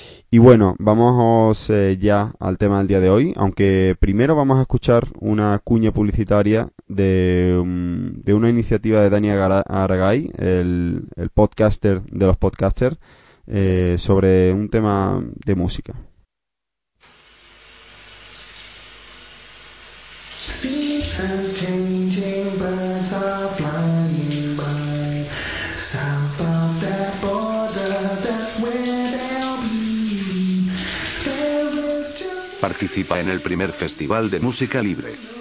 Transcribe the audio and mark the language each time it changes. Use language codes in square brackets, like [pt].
[es] Y bueno, vamos ya al tema del día de hoy, aunque primero vamos a escuchar una cuña publicitaria de una iniciativa de Dani Aragay, el podcaster de los podcasters, sobre un tema de música. [en] Seasons changing, birds are flying by. South of that border, that's where they'll be. There is just... [es] Participa en el primer festival de música libre.